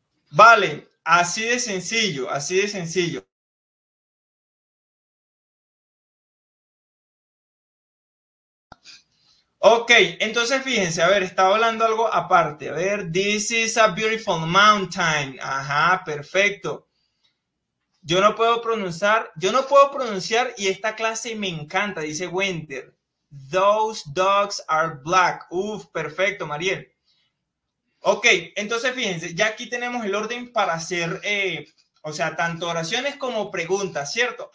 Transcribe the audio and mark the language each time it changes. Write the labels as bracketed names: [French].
[Spanish] Vale, así de sencillo, así de sencillo. Ok, entonces fíjense, a ver, estaba hablando algo aparte. A ver, [English] this is a beautiful mountain. [Spanish] Ajá, perfecto. Yo no puedo pronunciar y esta clase me encanta, dice Winter. [English] Those dogs are black. [Spanish] Uf, perfecto, Mariel. Ok, entonces fíjense, ya aquí tenemos el orden para hacer, o sea, tanto oraciones como preguntas, ¿cierto?